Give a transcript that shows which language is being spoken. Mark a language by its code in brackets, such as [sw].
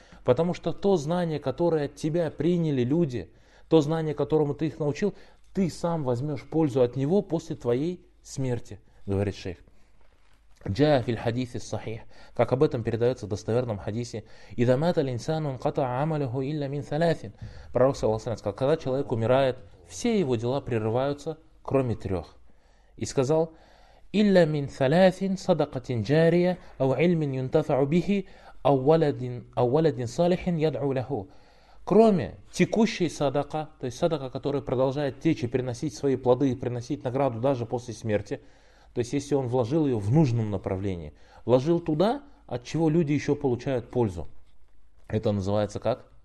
[ru] Потому что то знание, которое от тебя приняли люди, то знание, которому ты их научил, ты сам возьмешь пользу от него после твоей смерти, говорит шейх. [ar] جَاءَ فِي الْحَدِيثِ الصَّحِيحِ. [ru] Как об этом передается в достоверном хадисе. [ar] إِذَا مَاتَ الْإِنسَانُ انْقَطَعَ عَمَلُهُ إِلَّا مِنْ ثَلَاثٍ. [ru] Пророк саллаллаху алейхи ва саллям сказал, когда человек умирает, все его дела прерываются, кроме трех. И сказал, [ar] إِلَّا مِنْ ثَلَاثٍ صَدَقَةٍ جَارِيَةٍ أَوْ عِلْمٍ يُنْتَفَعُ بِهِ أَوْ وَلَدٍ صَالِحٍ يَدْعُو لَهُ. [ru] Кроме текущей садака, то есть садака, которая продолжает течь и приносить свои плоды, и приносить награду даже после смерти. То есть, если он вложил ее в нужном направлении. Вложил туда, от чего люди еще получают пользу. Это называется как?